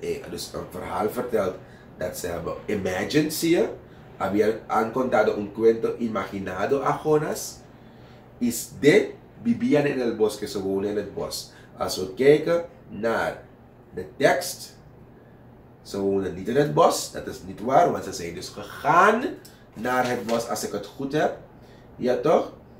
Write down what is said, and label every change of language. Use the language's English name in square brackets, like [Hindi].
[Dutch] Dus een verhaal verteld dat ze hebben imagined, zie je? [Spanish] Habían contado un cuento imaginado a Jonas. Y de vivían en el bosque. [Dutch] Ze wonen in het bos. Als we kijken naar de tekst. Ze wonen niet in het bos. Dat is niet waar. Want ze zijn dus gegaan naar het bos. Als ik het goed heb. Ja toch?